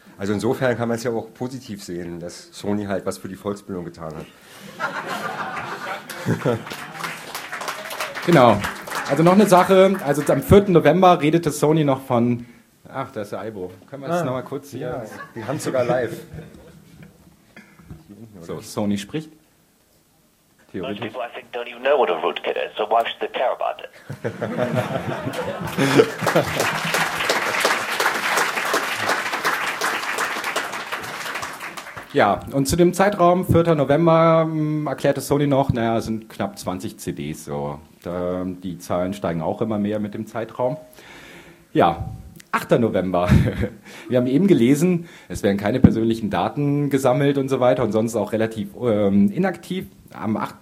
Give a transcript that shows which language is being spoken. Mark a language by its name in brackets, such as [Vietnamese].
[German] Also insofern kann man es ja auch positiv sehen, dass Sony halt was für die Volksbildung getan hat. Genau. Also noch eine Sache, also am 4. November redete Sony noch von... Ach, da ist der Aibo. Können wir das nochmal kurz hier... Ja, die haben es sogar live. So, Sony spricht. Theorie. [English] Most people, I think, don't even know what a rootkit is, so why should they care about it? [German] Ja, und zu dem Zeitraum, 4. November, erklärte Sony noch, naja, es sind knapp 20 CDs, so. Die Zahlen steigen auch immer mehr mit dem Zeitraum. Ja, 8. November. Wir haben eben gelesen, es werden keine persönlichen Daten gesammelt und so weiter und sonst auch relativ inaktiv. Am 8.